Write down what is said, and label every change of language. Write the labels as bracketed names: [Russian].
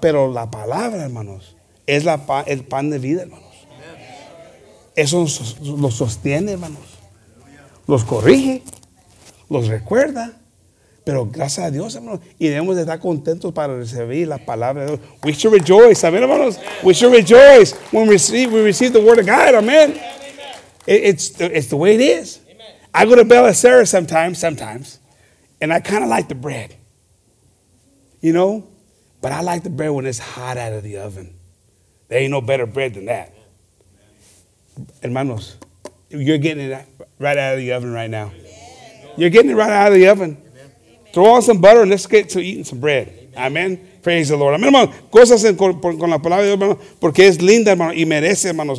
[Spanish] Pero la palabra, hermanos, es el pan de vida, hermanos. Eso los sostiene, hermanos. Los corrige. Los recuerda. Pero gracias a Dios, hermanos. Y debemos de estar contentos para recibir la palabra de Dios. [English] We should rejoice. Amén, hermanos. We should rejoice when we receive the word of God. Amén. It's the way it is. I go to Bella Sara sometimes. And I kind of like the bread. You know? But I like the bread when it's hot out of the oven. There ain't no better bread than that. Hermanos, you're getting it right out of the oven right now. Amen. You're getting it right out of the oven. Amen. Throw on some butter and let's get to eating some bread. Amen. Amen. Praise the Lord. Amen, hermanos. [Spanish] Cosas con la palabra de Dios, hermanos, porque es linda, hermanos, y merece, hermanos.